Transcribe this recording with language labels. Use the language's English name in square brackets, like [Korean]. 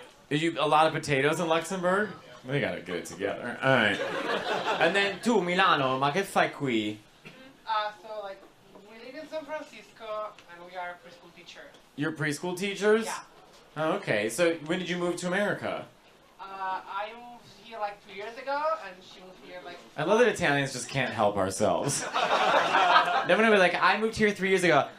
[English] Are you a lot of potatoes in Luxembourg? We gotta get it together. All right. And then [Italian] tu, Milano, ma che fai qui? [English] So like, we live in San Francisco and we are preschool teachers. You're preschool teachers? Yeah. Oh, okay. So when did you move to America? I moved here like 2 years ago and she moved here like... I love that Italians just can't help ourselves. They're gonna be like, I moved here 3 years ago.